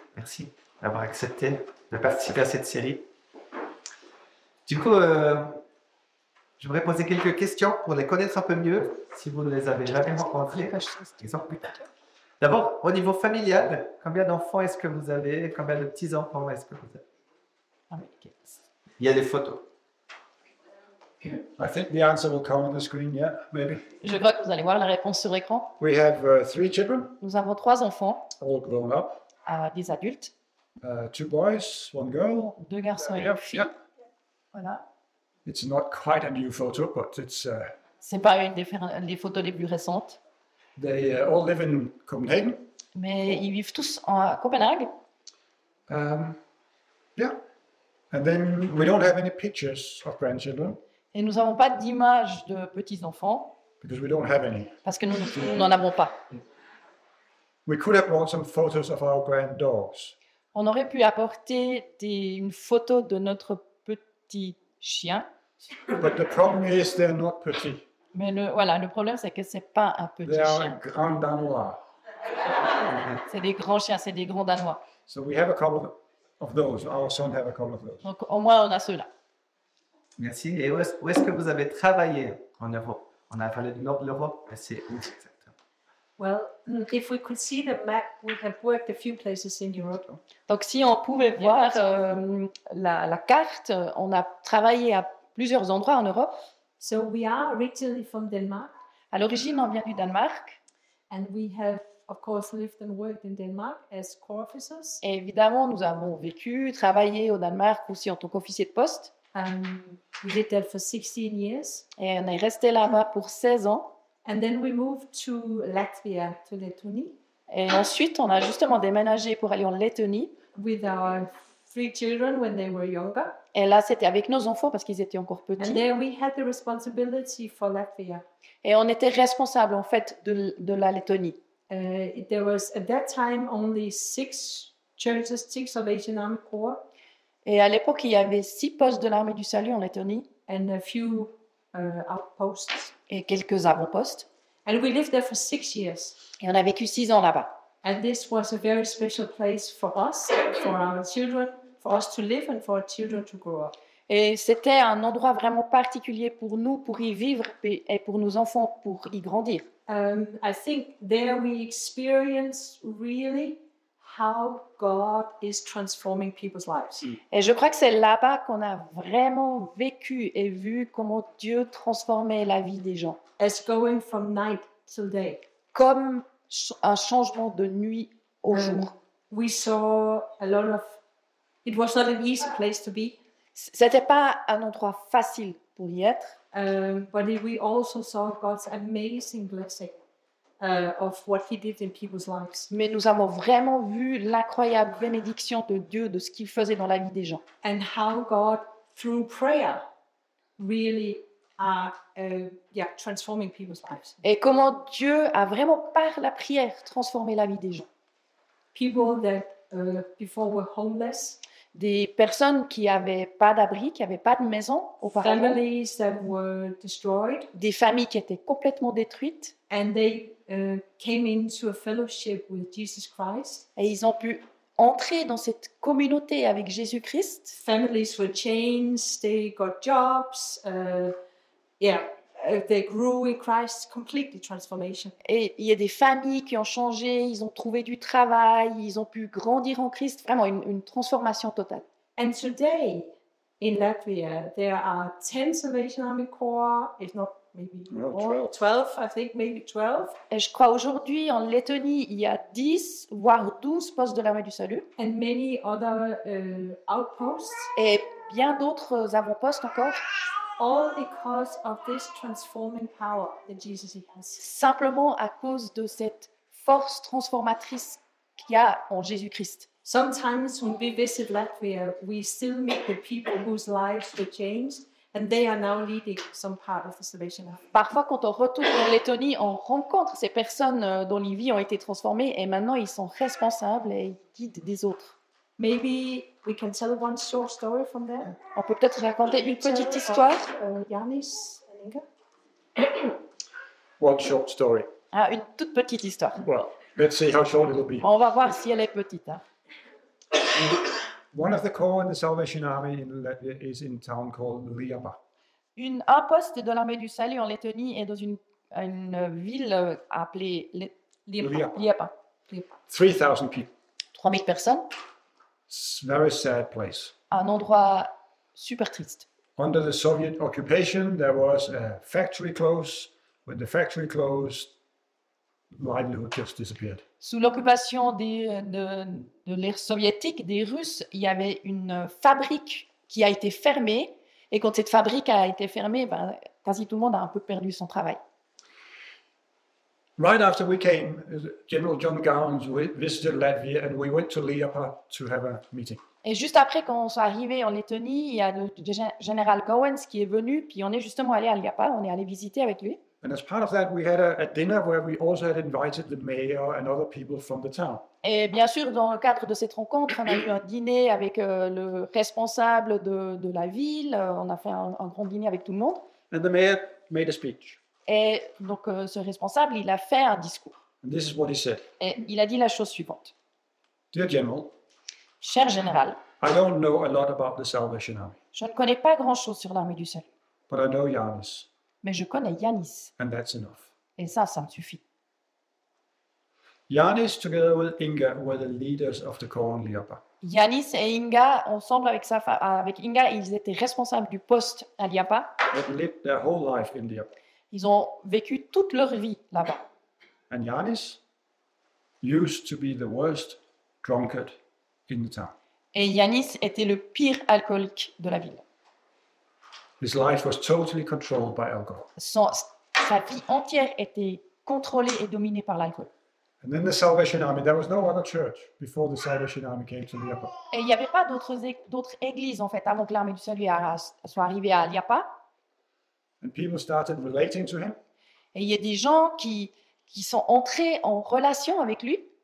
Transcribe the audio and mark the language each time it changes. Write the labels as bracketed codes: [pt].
[fr] Merci d'avoir accepté de participer à cette série. Du coup, j'aimerais poser quelques questions pour les connaître un peu mieux, si vous ne les avez jamais rencontrées. D'abord, au niveau familial, combien d'enfants est-ce que vous avez? Combien de petits-enfants est-ce que vous avez? Il y a des photos. [en] I think the answer will come on the screen, yeah, maybe. [fr] Je crois que vous allez voir la réponse sur l'écran. [en] We have three children, [fr] Nous avons trois enfants, [en] all grown up, [fr] des adultes, [en] two boys, one girl, [fr] deux garçons et une fille. Voilà. [en] It's not quite a new photo, but it's. [fr] C'est pas une des photos les plus récentes. [en] They all live in Copenhagen. [fr] Mais ils vivent tous à Copenhague. [en] Yeah, and then we don't have any pictures of grandchildren. [fr] Et nous n'avons pas d'image de petits-enfants. [en] Because we don't have any. [fr] Parce que nous n'en avons pas. [en] We could have brought some photos of our grand dogs. [fr] On aurait pu apporter une photo de notre petit chien. [en] But the problem is they're not petit. [fr] Mais le problème, c'est que ce n'est pas un petit [en] they are [fr] chien. Grand Danois. C'est des grands chiens, c'est des grands Danois. [en] So we have a couple of those. Our son have a couple of those. [fr] Donc au moins, on a ceux-là. Merci. Et où est-ce que vous avez travaillé en Europe? On a parlé du nord de l'Europe, mais c'est où exactement? [en] Well, if we could see the map, we have worked a few places in Europe. [fr] Donc, si on pouvait voir la carte, on a travaillé à plusieurs endroits en Europe. [en] So we are originally from Denmark. [fr] À l'origine, on vient du Danemark. [en] And we have, of course, lived and worked in Denmark as corps officers. [fr] Et évidemment, nous avons vécu, travaillé au Danemark aussi en tant qu'officier de poste. [en] We lived there for 16 years. [fr] Et on est resté là-bas pour 16 ans. [en] And then we moved to Latvia, to Lettonie. [fr] Et ensuite, on a justement déménagé pour aller en Lettonie. [en] With our three children when they were younger. [fr] Et là, c'était avec nos enfants parce qu'ils étaient encore petits. [en] And then we had the responsibility for Latvia. [fr] Et on était responsable en fait de la Lettonie. [en] There was at that time only six churches, six Salvation Army Corps. [fr] Et à l'époque, il y avait six postes de l'armée du salut en Lettonie. [en] And a few, outposts. [fr] Et quelques avant-postes. [en] And we lived there for 6 years. [fr] Et on a vécu 6 ans là-bas. [en] And this was a very special place for us, for our children, for us to live and for our children to grow up. [fr] Et c'était un endroit vraiment particulier pour nous, pour y vivre et pour nos enfants, pour y grandir. [en] I think there we experienced really how God is transforming people's lives. [fr] Et je crois que c'est là-bas qu'on a vraiment vécu et vu comment Dieu transformait la vie des gens. [en] As going from night to day. [fr] Comme un changement de nuit au jour. [en] We saw a lot of. It was not an easy place to be. [fr] C'était pas un endroit facile pour y être. [en] But we also saw God's amazing blessing. Of what he did in people's lives. [fr] Mais nous avons vraiment vu l'incroyable bénédiction de Dieu de ce qu'il faisait dans la vie des gens. [en] And how God, through prayer, really are transforming people's lives. [fr] Et comment Dieu a vraiment par la prière transformé la vie des gens. [en] People that before were homeless. [fr] Des personnes qui n'avaient pas d'abri, qui n'avaient pas de maison auparavant. [en] Families that were destroyed. [fr] Des familles qui étaient complètement détruites. [en] And they came into a fellowship with Jesus Christ. [fr] Et ils ont pu entrer dans cette communauté avec Jésus-Christ. [en] Families were changed, they got jobs, they grew in Christ, completely transformation. [fr] Et il y a des familles qui ont changé, ils ont trouvé du travail, ils ont pu grandir en Christ, vraiment une transformation totale. [en] And today, in Latvia, there are 10 Salvation Army Corps, if not maybe more, 12, I think maybe 12. [fr] Et je crois aujourd'hui, en Lettonie, il y a 10, voire 12 postes de l'Armée du Salut. [en] And many other outposts. [fr] Et bien d'autres avant-postes encore. [en] All because of this transforming power that Jesus has. [fr] Simplement à cause de cette force transformatrice qu'il y a en Jésus-Christ. [en] Sometimes when we visit Latvia, we still meet the people whose lives were changed, and they are now leading some part of the Salvation Army. [fr] Parfois, quand on retourne en Lettonie, on rencontre ces personnes dont les vies ont été transformées, et maintenant ils sont responsables et guident des autres. [en] Maybe we can tell one short story from there. [fr] On peut peut-être raconter une petite histoire. [en] Yannis and Inga. One short story. [fr] Ah, une toute petite histoire. [en] Well, Let's see how short it will be. [fr] On va voir si elle est petite. Hein. [en] One of the corps in the Salvation Army in Latvia is in a town called Liepa. [fr] Un poste de l'armée du salut en Lettonie est dans une ville appelée Liepa. [en] 3,000 people. [fr] 3,000 personnes. [en] It's a very sad place. [fr] Un endroit super triste. [en] Under the Soviet occupation, there was a factory closed. When the factory closed, livelihood just disappeared. [fr] Sous l'occupation de l'ère soviétique, des Russes, il y avait une fabrique qui a été fermée. Et quand cette fabrique a été fermée, ben, quasi tout le monde a un peu perdu son travail. [en] Right after we came, General John Gowans visited Latvia and we went to Liepa to have a meeting. [fr] Et juste après qu'on soit arrivé en Lettonie, il y a le général Gowans qui est venu, puis on est justement allé à Liepa, on est allé visiter avec lui. [en] And as part of that, we had a dinner where we also had invited the mayor and other people from the town. [fr] Et bien sûr, dans le cadre de cette rencontre, on a eu un dîner avec le responsable de la ville. On a fait un grand dîner avec tout le monde. [en] And the mayor made a speech. [fr] Et donc, ce responsable, il a fait un discours. [en] And this is what he said. [fr] Et il a dit la chose suivante. [en] Dear General. [fr] Cher général. [en] I don't know a lot about the Salvation Army. [fr] Je ne connais pas grand-chose sur l'armée du salut. [en] But I know Yanis. [fr] Mais je connais Yanis. [en] And that's enough. [fr] Et ça me suffit. [en] Yanis, together with Inga, were the leaders of the corps in Liepa. [fr] Yanis et Inga, ensemble avec Inga, ils étaient responsables du poste à Liepa. [en] They lived their whole life in Liepa. [fr] Ils ont vécu toute leur vie là-bas. [en] And Yanis used to be the worst drunkard in the town. [fr] Et Yanis était le pire alcoolique de la ville. [en] His life was totally controlled by alcohol. [fr] Sa vie entière était contrôlée et dominée par l'alcool. [en] And then the Salvation Army. There was no other church before the Salvation Army came to Liepa. [fr] Et il n'y avait pas d'autres églises en fait avant que l'armée du salut soit arrivée à Liepa. [en] And people started relating to him. [fr] Et il y a des gens qui sont entrés en relation avec lui.